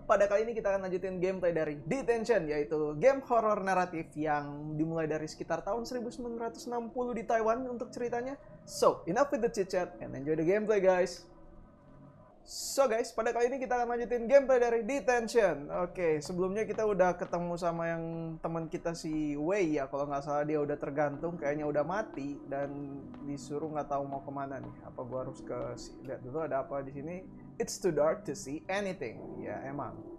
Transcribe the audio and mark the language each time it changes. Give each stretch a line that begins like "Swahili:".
Indonesian: Pada kali ini kita akan lanjutin gameplay dari Detention, yaitu game horror naratif yang dimulai dari sekitar tahun 1960 di Taiwan untuk ceritanya.
English: So, enough with the chit-chat and enjoy the gameplay, guys. So, guys,
Indonesian: pada kali ini kita akan lanjutin gameplay dari Detention. Oke, sebelumnya kita udah ketemu sama yang teman kita si Wei ya. Kalau nggak salah dia udah tergantung, kayaknya udah mati dan disuruh nggak tahu mau kemana nih. Apa gua harus ke lihat dulu ada apa di sini?
English: It's too dark to see anything.
Indonesian: Ya, emang.